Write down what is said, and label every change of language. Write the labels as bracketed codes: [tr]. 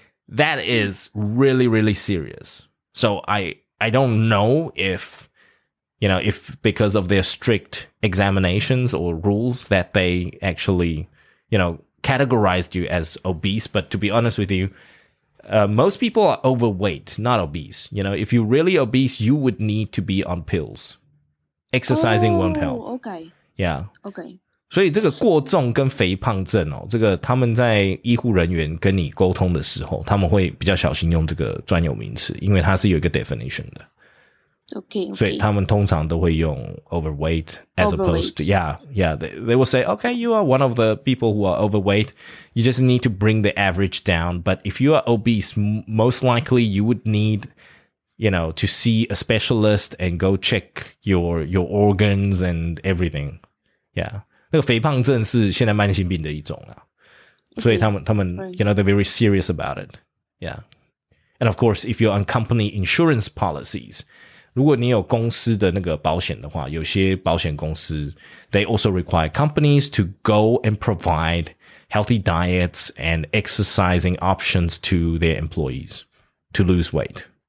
[en] That is really, really serious. So I don't know if because of their strict examinations or rules that they actually, you know, categorized you as obese. But to be honest with you, most people are overweight, not obese. You know, if you're really obese, you would need to be on pills. Exercising won't help. Okay. Yeah. Okay. [zh] 所以这个过重跟肥胖症哦，这个他们在医护人员跟你沟通的时候，他们会比较小心用这个专有名词，因为它是有一个 definition 的。 [en] Okay. [zh] 所以他们通常都会用 [en] overweight as opposed to they will say okay you are one of the people who are overweight, you just need to bring the average down. But if you are obese, most likely you would need to see a specialist and go check your organs and everything. Yeah. [zh] 那个肥胖症是现在慢性病的一种啦。所以他们 [en] they're very serious about it. Yeah. And of course, if you're on company insurance policies, [zh] 如果你有公司的那个保险的话，有些保险公司 [en] they also require companies to go and provide healthy diets and exercising options to their employees to lose weight.